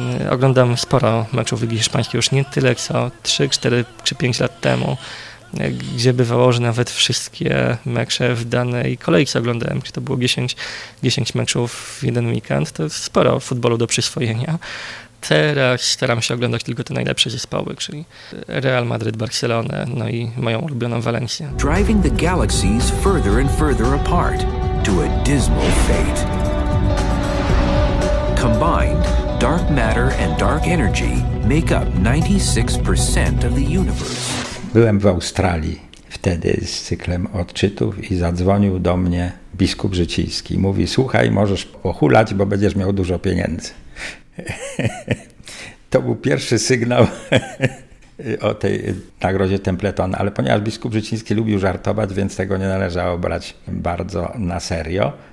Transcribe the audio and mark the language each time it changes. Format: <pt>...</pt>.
<pl>Oglądam sporo meczów Ligi Hiszpańskiej, już nie tyle co 3, 4 czy 5 lat temu, gdzie bywało, że nawet wszystkie mecze w danej kolejce oglądałem, czy to było 10 meczów w jeden weekend. To jest sporo futbolu do przyswojenia. Teraz staram się oglądać tylko te najlepsze zespoły, czyli Real Madrid, Barcelonę, no i moją ulubioną Walencję.</pl> <en>Driving the galaxies further and further apart to a dismal fate. Combined, dark matter and dark energy make up 96% of the universe.</en> <pl>Byłem w Australii wtedy z cyklem odczytów i zadzwonił do mnie biskup Życiński. Mówi: słuchaj, możesz pohulać, bo będziesz miał dużo pieniędzy. To był pierwszy sygnał o tej nagrodzie Templeton, ale ponieważ biskup Życiński lubił żartować, więc tego nie należało brać bardzo na serio.</pl>